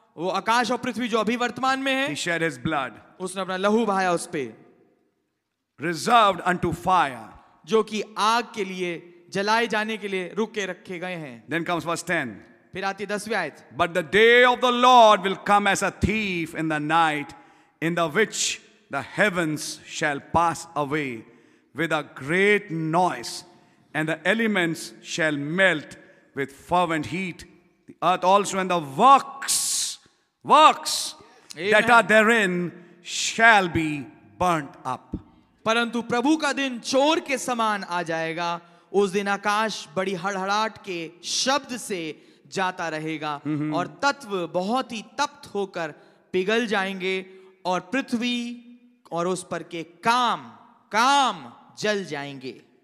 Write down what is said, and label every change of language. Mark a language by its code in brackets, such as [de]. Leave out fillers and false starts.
[hi] वो आकाश और पृथ्वी जो अभी वर्तमान में है, [en] He shed his blood. [hi] उसने अपना लहू बहाया उस पे, [en] reserved unto fire, [hi] जो कि आग के लिए जलाए जाने के लिए रुक के रखे गए हैं। [en] Then comes verse 10. [hi] फिर आती दसवीं आयत। [en] But the day of the Lord will come as a thief in the night, in the which the heavens shall pass away with a great noise, and the elements shall melt with fervent heat, the earth also and the works that are therein shall be burnt up. [hi] परंतु प्रभु का दिन चोर के समान आ जाएगा, उस दिन आकाश बड़ी हड़हड़ाहट के शब्द से जाता रहेगा, और तत्व बहुत ही तप्त होकर पिघल जाएंगे, और पृथ्वी और उस पर के काम जल जाएंगे।